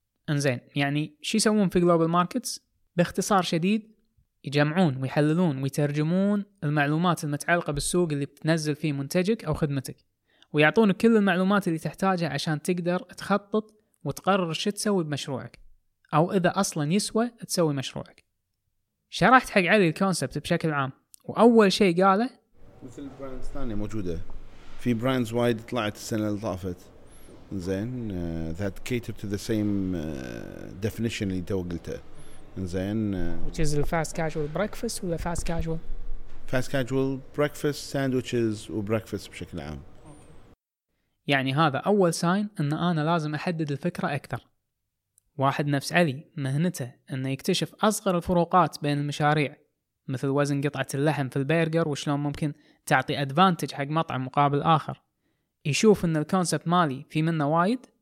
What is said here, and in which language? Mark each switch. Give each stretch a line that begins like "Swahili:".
Arabic: انزين، يعني شو يسوون في Global Markets؟ باختصار شديد يجمعون ويحللون ويترجمون المعلومات المتعلقة بالسوق اللي بتنزل فيه منتجك أو خدمتك، ويعطونك كل المعلومات اللي تحتاجها عشان تقدر تخطط وتقرر شو تسوي بمشروعك، أو إذا أصلاً يسوى تسوي مشروعك. شرحت حق علي الكونسبت بشكل عام، وأول شيء قاله مثل البراندز الثانية موجودة، في براندز وايد طلعت السنة اللي طافت، زين
English: that cater to the same definition
Arabic: اللي تو قلته. زين
English: which is fast casual breakfast
Arabic: ولا
English: fast casual؟ fast casual breakfast sandwiches وbreakfast
Arabic: بشكل عام. يعني هذا أول ساين أن أنا لازم أحدد الفكرة أكثر. واحد نفس علي مهنته أنه يكتشف أصغر الفروقات بين المشاريع، مثل وزن قطعة اللحم في البرجر وشلون ممكن تعطي أدفانتج حق مطعم مقابل آخر، يشوف أن الكونسبت مالي في منه وايد.